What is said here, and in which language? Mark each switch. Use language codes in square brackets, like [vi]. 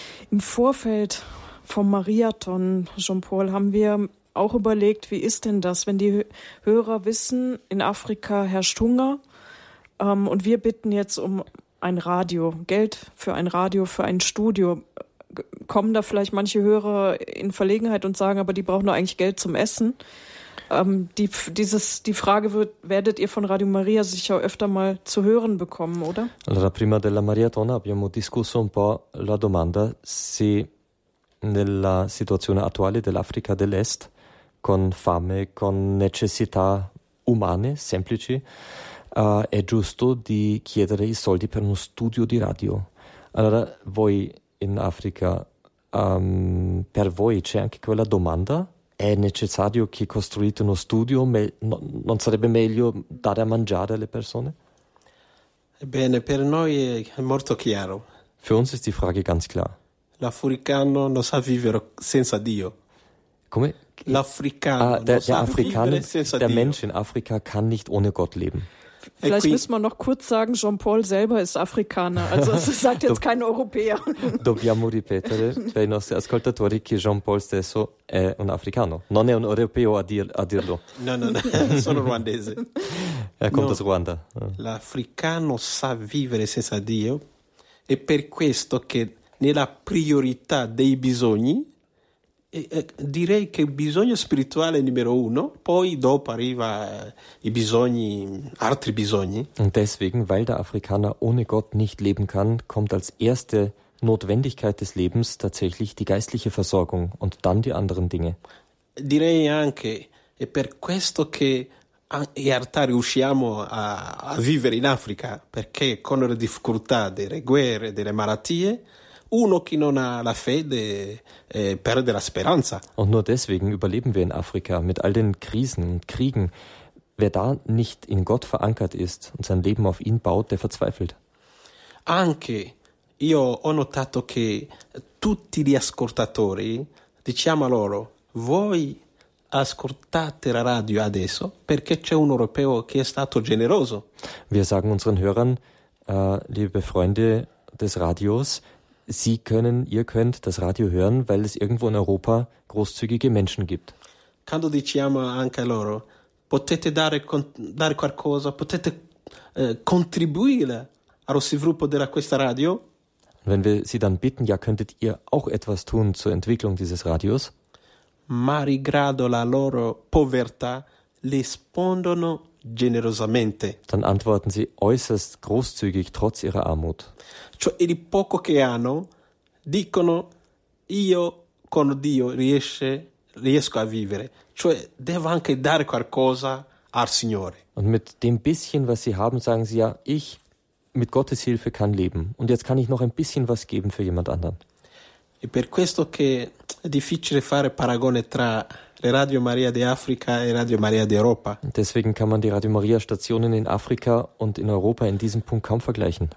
[de] Im Vorfeld vom Mariathon, Jean-Paul, haben wir auch überlegt, wie ist denn das, wenn die Hörer wissen, in Afrika herrscht Hunger und wir bitten jetzt um ein Radio, Geld für ein Radio, für ein Studio. Kommen da vielleicht manche Hörer in Verlegenheit und sagen, aber die brauchen doch eigentlich Geld zum Essen? Die Frage werdet ihr von Radio Maria sicher öfter mal zu hören bekommen, oder? [it] Allora, prima della Mariatona abbiamo discusso un po' la domanda se nella situazione attuale dell'Africa dell'Est, con fame, con necessità umane, semplici, è giusto di chiedere i soldi per uno studio di radio. Allora, voi in Africa, per voi c'è anche quella domanda? È necessario che costruite uno studio? Non sarebbe meglio dare a mangiare alle persone? Bene, per noi è molto chiaro. [de] Für uns ist die Frage ganz klar. [it] l'africano non sa vivere senza Dio. Come? L'africano [de] der Mensch in Afrika kann nicht ohne Gott leben. Vielleicht müssen wir noch kurz sagen, Jean-Paul selber ist Afrikaner, also es sagt jetzt kein Europäer. [it] Dobbiamo ripetere per i nostri ascoltatori che Jean-Paul stesso è un africano. Non è un europeo a dirlo. No, sono ruandese. È contro Ruanda. L'africano sa vivere senza Dio, e per questo che nella priorità dei bisogni, direi che il bisogno spirituale è numero uno, poi dopo arriva i bisogni, altri bisogni. [de] Und deswegen, weil der Afrikaner ohne Gott nicht leben kann, kommt als erste Notwendigkeit des Lebens tatsächlich die geistliche Versorgung und dann die anderen Dinge. [it] Direi anche, è per questo che in realtà riusciamo a vivere in Africa, perché con le difficoltà delle guerre, delle malattie, uno che non ha la fede perde la speranza. [de] Und nur deswegen überleben wir in Afrika mit all den Krisen und Kriegen. Wer da nicht in Gott verankert ist und sein Leben auf ihn baut, der verzweifelt. [it] Anche io ho notato che tutti gli ascoltatori, diciamo loro, voi ascoltate la radio adesso perché c'è un europeo che è stato generoso. [de] Wir sagen unseren Hörern, liebe Freunde des Radios, ihr könnt das Radio hören, weil es irgendwo in Europa großzügige Menschen gibt. [it] Quando diciamo anche a loro, potete dare qualcosa, potete contribuire allo sviluppo della questa radio? [de] Wenn wir sie dann bitten, ja, könntet ihr auch etwas tun zur Entwicklung dieses Radios? [it] Malgrado la loro povertà, rispondono generosamente. [de] Dann antworten sie äußerst großzügig trotz ihrer Armut. [it] Cioè, di poco che hanno, dicono, io con Dio riesco a vivere. Cioè, devo anche dare qualcosa al Signore. [de] Und mit dem bisschen, was sie haben, sagen sie ja, ich mit Gottes Hilfe kann leben. Und jetzt kann ich noch ein bisschen was geben für jemand anderen. [it] E per questo che è difficile fare paragone tra le Radio Maria di Africa e Radio Maria d'Europa. [de] Deswegen kann man die Radio Maria Stationen in Afrika und in Europa in diesem Punkt kaum vergleichen.